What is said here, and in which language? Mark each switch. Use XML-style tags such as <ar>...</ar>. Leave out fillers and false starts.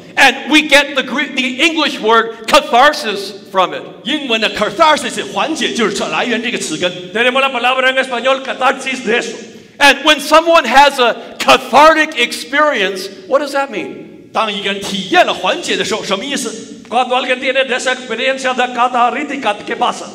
<en>And we get the English word catharsis from it.</en> <zh>英文的catharsis缓解就是来源这个词根。</zh> <es>Tenemos la palabra en español catharsis de eso.</es> <en>And when someone has a cathartic experience, what does that mean?</en> <zh>当一个人体验了缓解的时候，什么意思？</zh> <es>Cuando alguien tiene esa experiencia de catarítica, ¿qué pasa?</es>